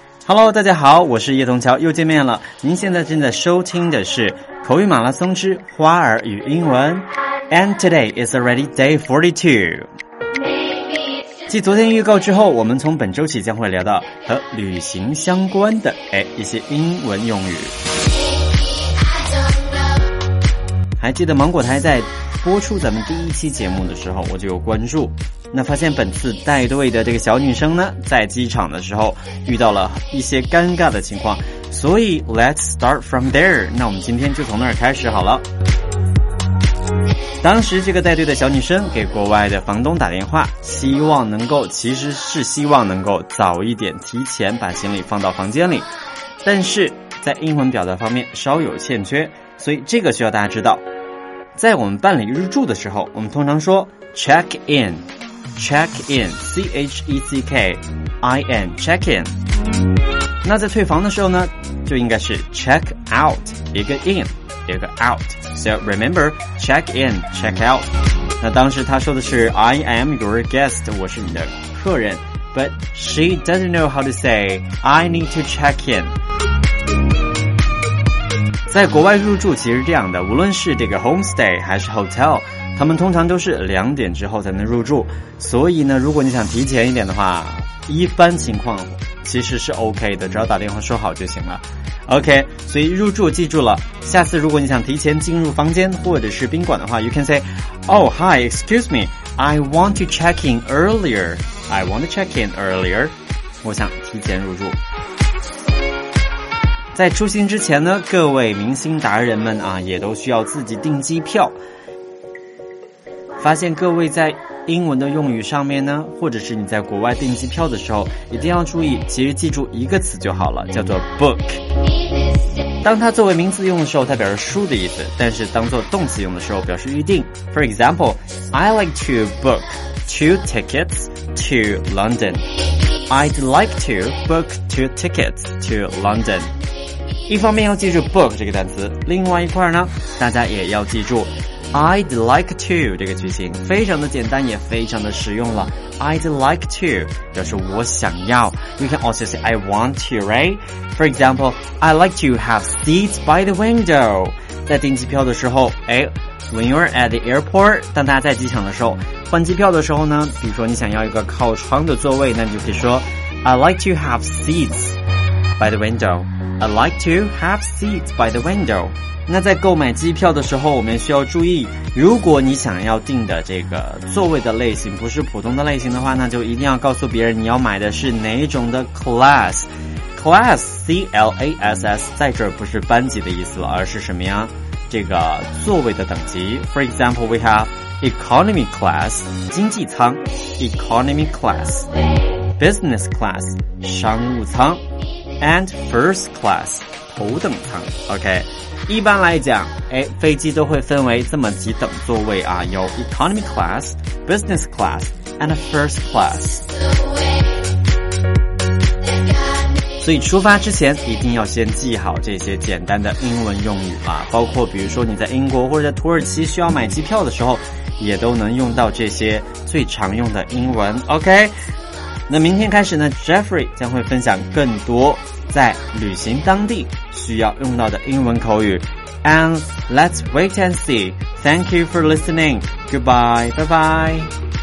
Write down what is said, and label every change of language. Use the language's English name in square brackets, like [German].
[Chinese] Hello, 大家好，我是叶童桥，又见面了。您现在正在收听的是口语马拉松之花儿与英文。 [English] And today is already day 42. [Chinese] 继昨天预告之后，我们从本周起将会聊到和旅行相关的一些英文用语。还记得芒果台在播出咱们第一期节目的时候，我就有关注，那发现本次带队的这个小女生呢，在机场的时候遇到了一些尴尬的情况，所以 [English] let's start from there， [Chinese] 那我们今天就从那儿开始好了。当时这个带队的小女生给国外的房东打电话，希望能够，其实是希望能够早一点提前把行李放到房间里，但是在英文表达方面稍有欠缺，所以这个需要大家知道。在我们办理入住的时候，我们通常说 check in, check in, check in。那在退房的时候呢，就应该是 check out， 一个 in， 一个 out， [English] so remember check in, check out。 [Chinese] 那当时他说的是 [English] I am your guest， [Chinese] 我是你的客人， [English] but she doesn't know how to say I need to check in。 [Chinese] 在国外入住其实这样的，无论是这个 homestay 还是 hotel， 他们通常都是两点之后才能入住，所以呢，如果你想提前一点的话，一般情况其实是 OK 的，只要打电话说好就行了。 OK， 所以入住记住了，下次如果你想提前进入房间或者是宾馆的话， [English] you can say Oh hi, excuse me, I want to check in earlier， [Chinese] 我想提前入住。在出行之前呢，各位明星达人们啊，也都需要自己订机票。发现各位在英文的用语上面呢，或者是你在国外订机票的时候，一定要注意，其实记住一个词就好了，叫做 book。当它作为名词用的时候，它表示书的意思，但是当做动词用的时候，表示预定。 [English] For example, I like to book two tickets to London. I'd like to book two tickets to London. [Chinese] 一方面要记住 book 这个单词，另外一块呢，大家也要记住 I'd like to 这个句型，非常的简单也非常的实用了。 [English] I'd like to [Chinese] 表示我想要， [English] You can also say I want to, right? For example, I'd like to have seats by the window. [Chinese] 在订机票的时候， [English] When you're at the airport， [Chinese] 当大家在机场的时候换机票的时候呢，比如说你想要一个靠窗的座位，那你就可以说 [English] I'd like to have seats by the windowI'd like to have seats by the window. [Chinese] 那在购买机票的时候，我们需要注意，如果你想要订的这个座位的类型不是普通的类型的话，那就一定要告诉别人你要买的是哪种的 class。 class, C-L-A-S-S, 在这儿不是班级的意思了，而是什么呀？这个座位的等级。 [English] For example, we have economy class, 经济舱， economy class, business class, 商务舱，And first class, 头等舱。 [Chinese] OK, 一般来讲，飞机都会分为这么几等座位啊，有 economy class, business class, and first class。所以出发之前一定要先记好这些简单的英文用语啊，包括比如说你在英国或者在土耳其需要买机票的时候，也都能用到这些最常用的英文。 OK,那明天开始呢， Jeffrey 将会分享更多在旅行当地需要用到的英文口语。 [English] And let's wait and see. Thank you for listening. Goodbye, bye bye.